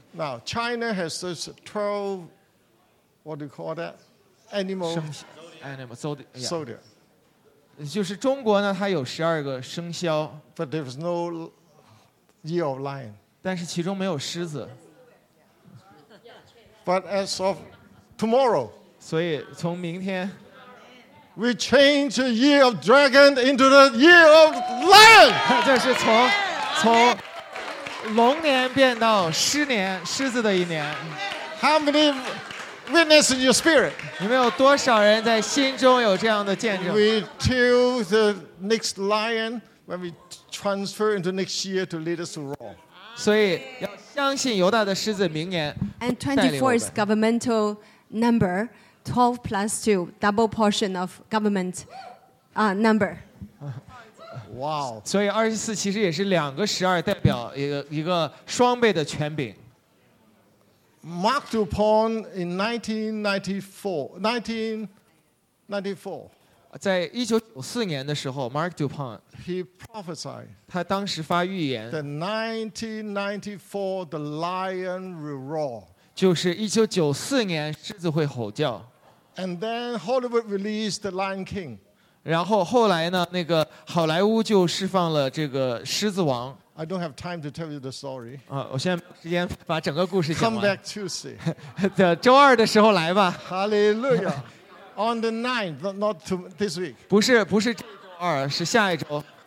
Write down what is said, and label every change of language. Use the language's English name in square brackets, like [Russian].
[English] Now China has this 12, what do you call that? Animal zodiac. [Chinese] 就是中国呢，它有十二个生肖. [English] But there is no year of lion. [Chinese] 但是其中没有狮子. [English] But as of tomorrow. [Chinese] 所以从明天, [English] we change the year of dragon into the year of lion. [Chinese] 这是从龙年变到狮年，狮子的一年。 [English] How many witness in your spirit? [Chinese] 你们有多少人在心中有这样的见证？ [English] We till the next lion when we transfer into next year to lead us to roar. [Chinese] 所以要相信犹大的狮子明年。 [English] And 24 is governmental number. 12 plus 2, double portion of government number. Wow. So 24 actually is [Chinese] 2个12代表一个双倍的权柄. [English] Mark DuPont in 1994. [Chinese] 在1994年的时候, Mark DuPont. [English] He prophesied. [Chinese] 他当时发预言. [English] The 1994, the lion will roar. [Chinese] 就是1994年狮子会吼叫. [English] And then Hollywood released The Lion King. [Chinese] 然后后来呢，那个好莱坞就释放了这个《狮子王》. [English] I don't have time to tell you the story. [Chinese] 我现在时间把整个故事讲完。 [English] Come back Tuesday. [Chinese] 在周二的时候来吧。 [English] Hallelujah. On the 9th, not to this week. [Chinese] 不是这周二，是下一周。